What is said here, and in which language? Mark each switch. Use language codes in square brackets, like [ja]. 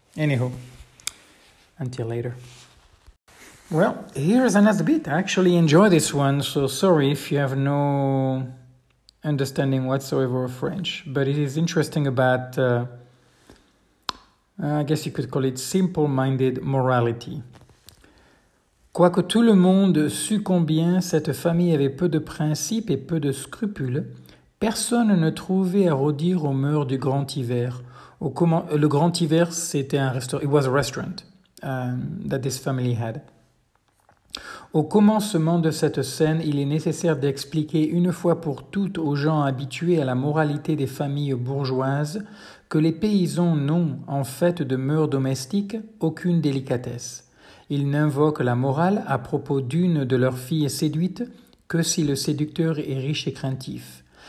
[en] Anywho, until later. Well, here's another bit. I actually enjoy this one, so sorry if you have no understanding whatsoever of French. But it is interesting about... I guess you could call it simple-minded morality. [fr] Quoique tout le monde sût combien cette famille avait peu de principes et peu de scrupules, personne ne trouvait à redire aux mœurs du grand hiver. Le grand hiver, c'était un restaurant. [en] It was a restaurant that this family had. [fr] Au commencement de cette scène, il est nécessaire d'expliquer une fois pour toutes aux gens habitués à la moralité des familles bourgeoises que les paysans n'ont, en fait de mœurs domestiques, aucune délicatesse. Ils n'invoquent la morale à propos d'une de leurs filles séduites que si le séducteur est riche et craintif.